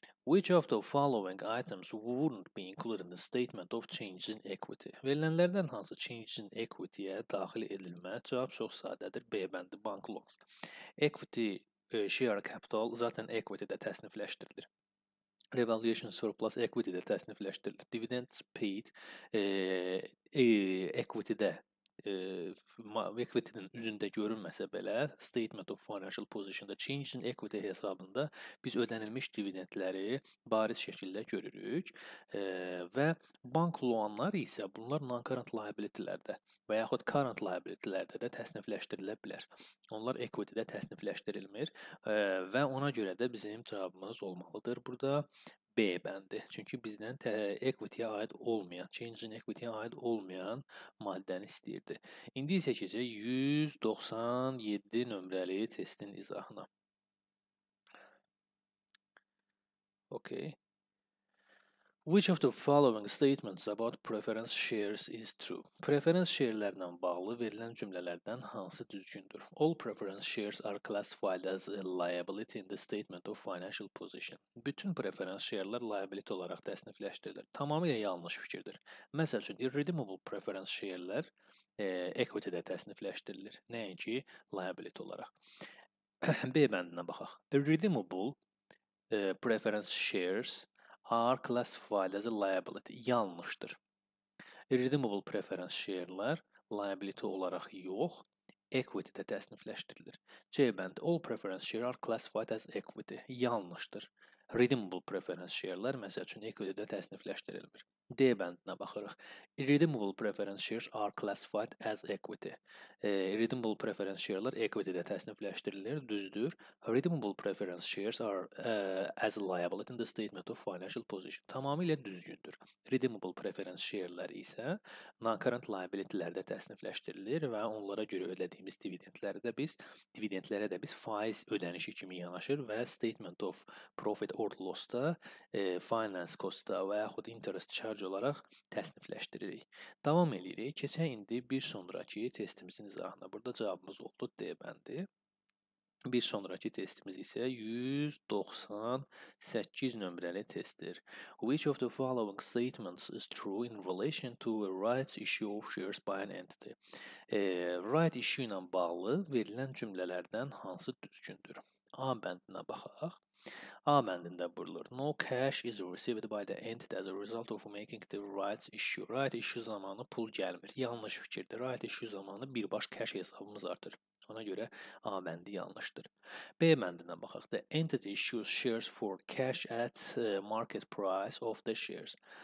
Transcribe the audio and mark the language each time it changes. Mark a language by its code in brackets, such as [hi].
[en] Which of the following items wouldn't be included in the statement of change in equity? [az] Verilənlərdən hansı change in equity-yə daxil edilmək? Cavab çox sadədir. B bəndi, bank loans. Equity share capital zaten equity-də təsnifləşdirilir. Revaluation surplus equity-də təsnifləşdirilir. Dividends paid equity-də equity-nin üzündə görünməsə belə statement of financial position-da change in equity hesabında biz ödənilmiş dividendləri bariz şəkildə görürük və bank loanlar isə bunlar non-current liability-lərdə və yaxud current liability-lərdə də təsnifləşdirilə bilər. Onlar equity-də təsnifləşdirilmir və ona görə də bizim cavabımız olmalıdır burada B bəndi. Çünki bizdən equity-yə aid olmayan, change in equity-yə aid olmayan maddəni istəyirdi. İndi isə keçək 197 nömrəli testin izahına. [en] Okay. Which of the following statements about preference shares is true? [az] Preference share-lərlə bağlı verilən cümlələrdən hansı düzgündür? [en] All preference shares are classified as a liability in the statement of financial position. [az] Bütün preference share-lər liability olaraq təsnifləşdirilir. Tamamilə yanlış fikirdir. Məsəl üçün, irredeemable preference share-lər equity-də təsnifləşdirilir. Nəinki liability olaraq. B bəndinə baxaq. [en] Irredeemable preference shares are classified as a liability. [az] Yanlışdır. Irredeemable preference share-lər liability olaraq yox, equity-də təsnifləşdirilir. C bəndi, [en] all preference share are classified as equity. [az] Yanlışdır. Redeemable preference share-lər, məsəl üçün, equity-də təsnifləşdirilmir. D bəndinə baxırıq. [en] Irredeemable preference shares are classified as equity. [az] Irredeemable preference share-lər equity-də təsnifləşdirilir, düzdür. [en] Redeemable preference shares are as a liability in the statement of financial position. [az] Tamamilə düzgündür. Redeemable preference share-lər isə non-current liability-lərdə təsnifləşdirilir və onlara görə ödədiyimiz dividendlərə də biz faiz ödənişi kimi yanaşır və statement of profit or loss-da, finance cost-da və yaxud interest charge olaraq təsnifləşdiririk. Davam edirik. Keçək indi bir sonraki testimizin izahına. Burada cavabımız oldu D bəndi. Bir sonraki testimiz isə 198 nömrəli testdir. [en] Which of the following statements is true in relation to a rights issue of shares by an entity? [az] Right issue ilə bağlı verilən cümlələrdən hansı düzgündür? A bəndinə baxaq. A bəndində buyurulur. [en] No cash is received by the entity as a result of making the rights issue. [az] Right issue zamanı pul gəlmir. Yanlış fikirdir. Right issue zamanı birbaş cash hesabımız artır. Ona görə A bəndi yanlışdır. B bəndinə baxaq. [en] The entity issues shares for cash at market price of the shares.